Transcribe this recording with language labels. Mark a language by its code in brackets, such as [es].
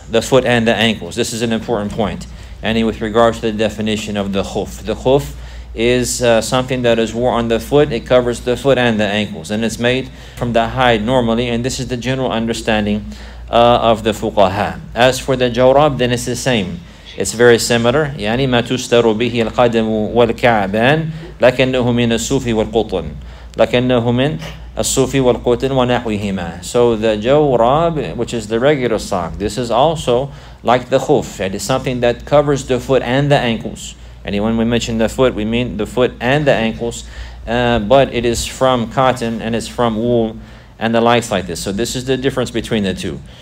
[en] This is an important point. And with regards to the definition of the khuf. The khuf is something that is worn on the foot. It covers the foot and the ankles, and it's made from the hide normally, and this is the general understanding of the fuqaha. As for the jawrab, then it's the same. It's very similar. [ar] يعني ما تستر به القدم والكعبان لكنه من الصوف والقطن لكنه من الصوف والقطن ونحوهما. [en] So the jawrab, which is the regular sock, this is also like the khuf. It is something that covers the foot and the ankles. And when we mention the foot, we mean the foot and the ankles, but it is from cotton and it's from wool and the likes like this. So this is the difference between the two.